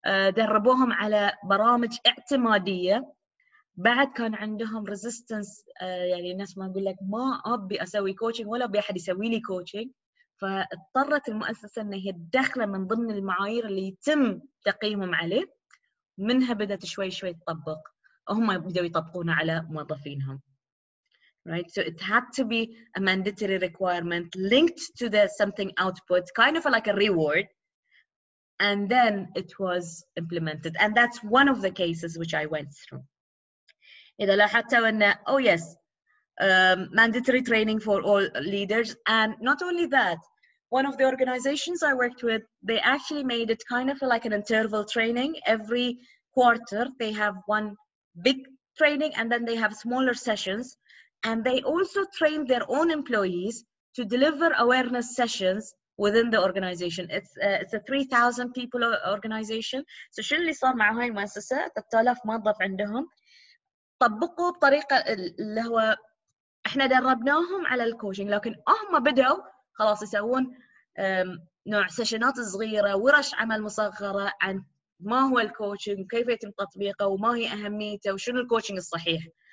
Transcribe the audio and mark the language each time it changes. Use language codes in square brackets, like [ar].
[ar] دربوهم على برامج اعتمادية، بعد كان عندهم resistance، يعني الناس ما يقول لك ما أبي أسوي كوتشنج ولا أبي أحد يسوي لي كوتشنج. فاضطرت المؤسسة أن هي تدخله من ضمن المعايير اللي يتم تقييمهم عليه، منها بدأت شوي شوي تطبق، هم بدأوا يطبقونه على موظفينهم. [en] Right, so it had to be a mandatory requirement linked to the something output, kind of like a reward, and then it was implemented. And that's one of the cases which I went through. [ar] إذا لاحظتوا أن [en] oh yes, mandatory training for all leaders, and not only that, one of the organizations I worked with, they actually made it kind of like an interval training. Every quarter, they have one big training and then they have smaller sessions and they also train their own employees to deliver awareness sessions within the organization. It's a 3,000 people organization. So [ar] شو اللي صار مع هاي المؤسسة؟ 3,000 موظف عندهم طبقوا بطريقة اللي هو احنا دربناهم على الكوتشنج، لكن هم بدأوا خلاص يسوون نوع سيشنات صغيرة ورش عمل مصغرة عن ما هو الكوتشنج، كيف يتم تطبيقه، وما هي أهميته، وشنو الكوتشنج الصحيح.